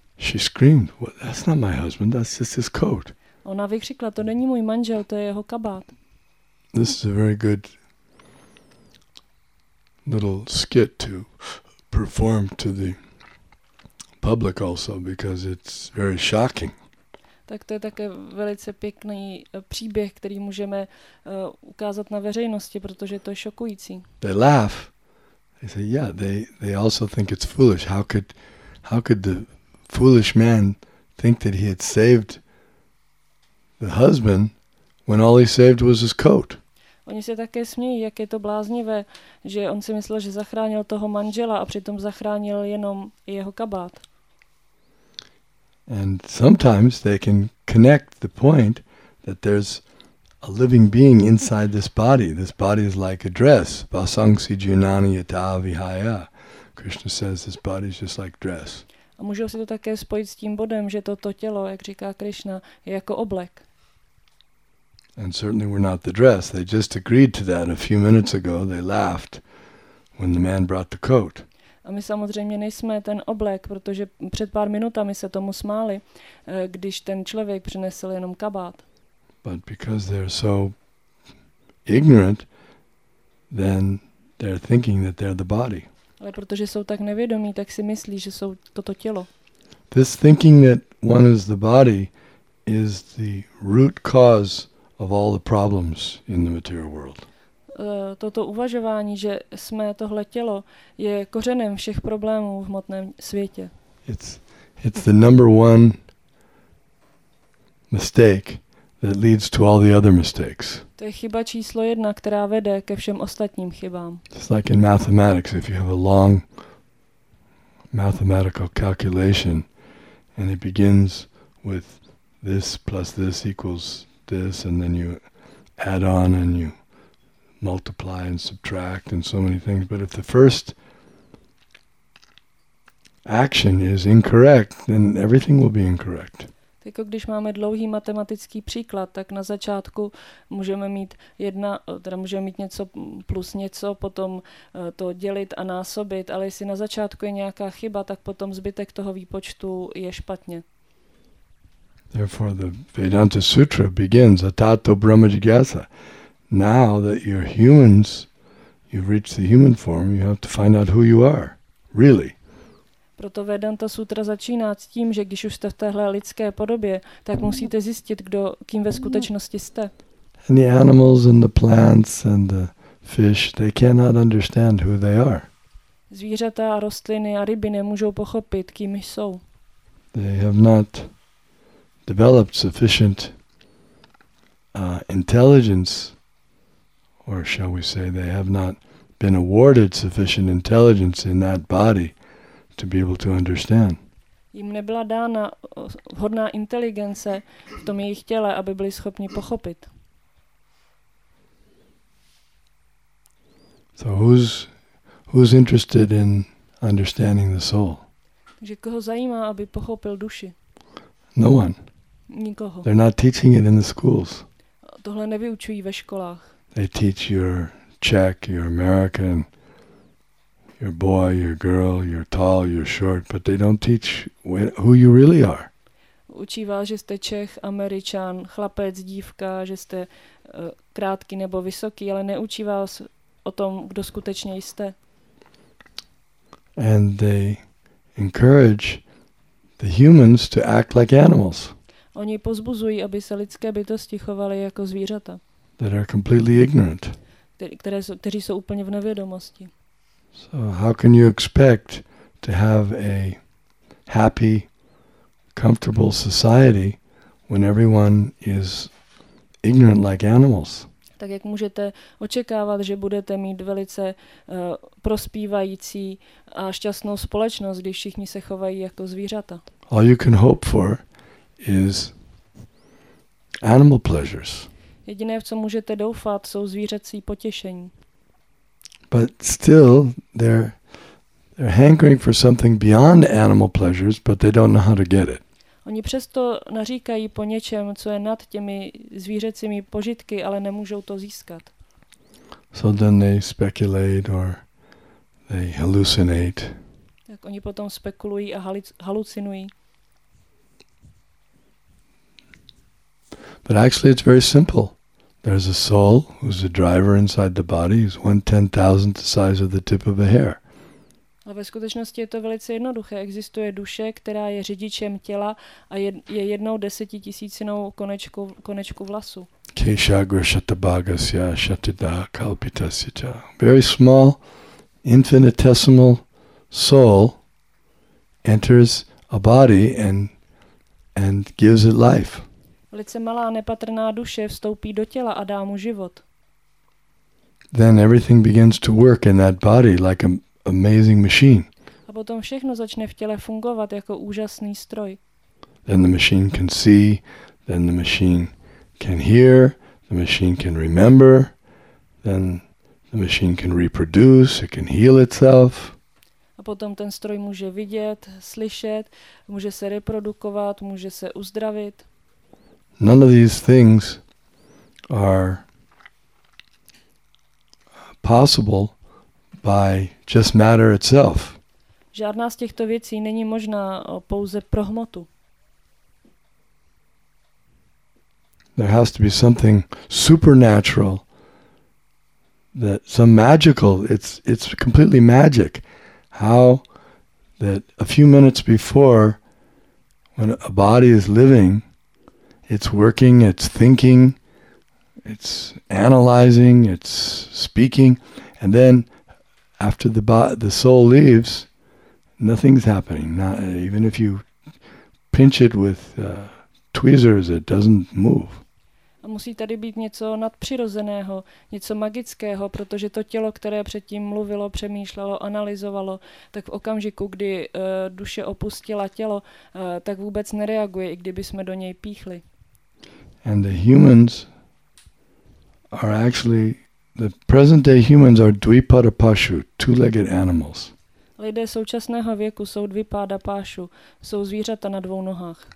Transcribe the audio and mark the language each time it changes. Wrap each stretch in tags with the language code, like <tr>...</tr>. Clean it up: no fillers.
<en>She screamed, well, that's not my husband, that's just his coat.</en> <cs>Ona vykřikla, to není můj manžel, to je jeho kabát.</cs> <en>This is a very good little skit to perform to the public also, because it's very shocking.</en> <cs>Tak to je také velice pěkný příběh, který můžeme ukázat na veřejnosti, protože to je šokující.</cs> <en>They laugh. They say, yeah, they also think it's foolish. How could the foolish man think that he had saved the husband when all he saved was his coat?</en> <cs>Oni se také smějí, jak je to bláznivé, že on si myslel, že zachránil toho manžela a přitom zachránil jenom jeho kabát.</cs> <en>And sometimes they can connect the point that there's a living being inside this body. This body is like a dress.</en> <sa>Vasangsi junani yata vihaya.</sa> <en>Krishna says this body is just like dress.</en> <cs>A můžou si to také spojit s tím bodem, že toto tělo, jak říká Krishna, je jako oblek.</cs> <en>And certainly we're not the dress. They just agreed to that a few minutes ago. They laughed when the man brought the coat.</en> <cs>A my samozřejmě nejsme ten oblek, protože před pár minutami se tomu smáli, když ten člověk přinesl jenom kabát.</cs> <en>But because they're so ignorant, then they're thinking that they're the body.</en> <cs>Ale protože jsou tak nevědomí, tak si myslí, že jsou toto tělo.</cs> <en>This thinking that one is the body is the root cause of all the problems in the material world.</en> <cs>Toto uvažování, že jsme tohle tělo, je kořenem všech problémů v hmotném světě.</cs> <en>It's the number one mistake that leads to all the other mistakes.</en> <cs>To je chyba číslo jedna, která vede ke všem ostatním chybám.</cs> <en>It's like in mathematics, if you have a long mathematical calculation and it begins with this plus this equals this, and then you add on and you multiply and subtract and so many things. But if the first action is incorrect, then everything will be incorrect.</en> <cs>Jako když máme dlouhý matematický příklad, tak na začátku můžeme mít jedna, teda můžeme mít něco plus něco, potom to dělit a násobit, ale jestli na začátku je nějaká chyba, tak potom zbytek toho výpočtu je špatně.</cs> <en>Therefore the Vedanta Sutra begins</en> <sa>Atato Brahma Jigyasa.</sa> <en>Now that you're humans, you've reached the human form, you have to find out who you are, really.</en> <cs>Proto Vedanta Sutra začíná s tím, že když už jste v téhle lidské podobě, tak musíte zjistit, kdo, kým ve skutečnosti jste.</cs> <en>And the animals and the plants and the fish, they cannot understand who they are.</en> <cs>Zvířata a rostliny a ryby nemůžou pochopit, kým jsou.</cs> <en>They have not developed sufficient intelligence, or shall we say, they have not been awarded sufficient intelligence in that body to be able to understand.</en> <cs>Jim nebyla dána vhodná inteligence v tom jejich těle, aby byli schopni pochopit.</cs> <en>So who's interested in understanding the soul?</en> <cs>Takže koho zajímá, aby pochopil duši?</cs> <en>No one.</en> <cs>Nikoho.</cs> <en>They're not teaching it in the schools.</en> <cs>Tohle nevyučují ve školách.</cs> <en>They teach your Czech, your American, your boy, your girl, you're tall, you're short, but they don't teach who you really are.</en> <cs>Učí vás, že jste Čech, Američan, chlapec, dívka, že jste krátký nebo vysoký, ale neučí vás o tom, kdo skutečně jste.</cs> <en>And they encourage the humans to act like animals.</en> <cs>Oni pozbuzují, aby se lidské bytosti chovaly jako zvířata.</cs> <en>That are completely ignorant.</en> <cs>Kteří jsou úplně v nevědomosti.</cs> <en>So how can you expect to have a happy, comfortable society when everyone is ignorant like animals?</en> <cs>Tak jak můžete očekávat, že budete mít velice prospívající a šťastnou společnost, když všichni se chovají jako zvířata?</cs> <en>All you can hope for is animal pleasures.</en> <cs>Jediné, v co můžete doufat, jsou zvířecí potěšení.</cs> <en>But still they're hankering for something beyond animal pleasures, but they don't know how to get it.</en> <cs>Oni přesto naříkají po něčem, co je nad těmi zvířecími požitky, ale nemůžou to získat.</cs> <en>So then they speculate or they hallucinate.</en> <cs>Tak oni potom spekulují a halucinují.</cs> <en>But actually it's very simple. There's a soul who's the driver inside the body, who's 1/10,000th the size of the tip of a hair.</en> <cs>Ale ve skutečnosti je to velice jednoduché. Existuje duše, která je řidičem těla a je jednou desetitisícinou konečku vlasu.</cs> <sa>Keshagra shatabhagasya shatida kalpitasya.</sa> <en>Very small, infinitesimal soul enters a body and gives it life.</en> <cs>Velice malá nepatrná duše vstoupí do těla a dá mu život.</cs> <en>Then everything begins to work in that body like an amazing machine.</en> <cs>A potom všechno začne v těle fungovat jako úžasný stroj.</cs> <en>Then the machine can see, then the machine can hear, the machine can remember, then the machine can reproduce, it can heal itself.</en> <cs>A potom ten stroj může vidět, slyšet, může se reprodukovat, může se uzdravit.</cs> <en>None of these things are possible by just matter itself.</en> <cs>Žádná z těchto věcí není možná pouze pro hmotu.</cs> <en>There has to be something supernatural, that some magical. It's completely magic. How that a few minutes before, when a body is living, it's working, it's thinking, it's analyzing, it's speaking, and then after the soul leaves, nothing's happening. Not even if you pinch it with tweezers, it doesn't move.</en> <cs>A musí tady být něco nadpřirozeného, něco magického, protože to tělo, které předtím mluvilo, přemýšlelo, analyzovalo, tak v okamžiku, kdy duše opustila tělo, tak vůbec nereaguje, i kdyby jsme do něj píchli.</cs> <en>And the humans are actually, the present day humans are Dvipada Pashu, two-legged animals.</en> <cs>Lidé současného věku jsou dvipáda pášu, jsou zvířata na dvou nohách.</cs>